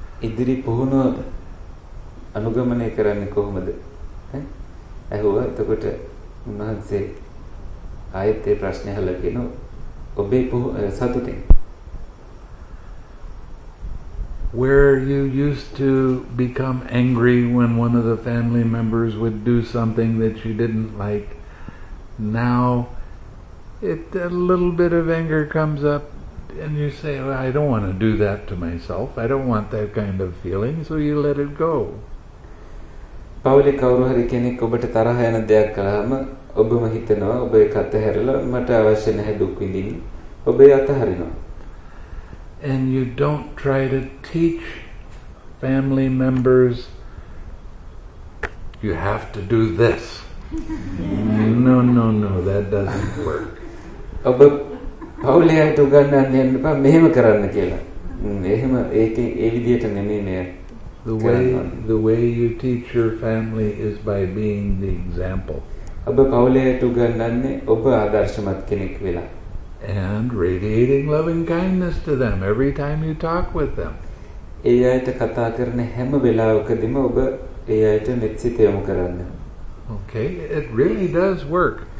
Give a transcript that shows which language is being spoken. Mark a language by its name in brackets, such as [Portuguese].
[Sinhala] ඉදිරි පුහුණුව අනුගමනය කරන්නේ කොහොමද? ඈ හුව එතකොට උන්වහන්සේ ආයෙත් ඒ ප්‍රශ්නය අහලා කියනවා ඔබේ සතුටින්. [English] Where you used to become angry when one of the family members would do something that you didn't like, now a little bit of anger comes up and you say, well, I don't want to do that to myself. I don't want that kind of feeling. So you let it go. [Sinhala] පවුලි කවුරු හරි කෙනෙක් ඔබට තරහ යන දෙයක් කළාම ඔබම හිතනවා ඔබ ඒක අතහැරලා මට අවශ්‍ය නැහැ දුක් විඳින්න. ඔබ ඒ අතහරිනවා. [English] And you don't try to teach family members you have to do this. No, that doesn't work. [Sinhala] ඔබ පවුලයට උගන්වන්න යන්න බෑ මෙහෙම කරන්න කියලා. එහෙම ඒ විදිහට නෙමෙයි නේ. [English] The way you teach your family is by being the example. [Sinhala] ඔබ පවුලයට උගන්වන්නේ ඔබ ආදර්ශමත් කෙනෙක් වෙලා. [English] And radiating loving kindness to them every time you talk with them. [Sinhala] ඒ අයට කතා කරන හැම වෙලාවකදීම ඔබ ඒ අයට මෙත් සිත යොමු කරන්න. [English] Okay, it really does work.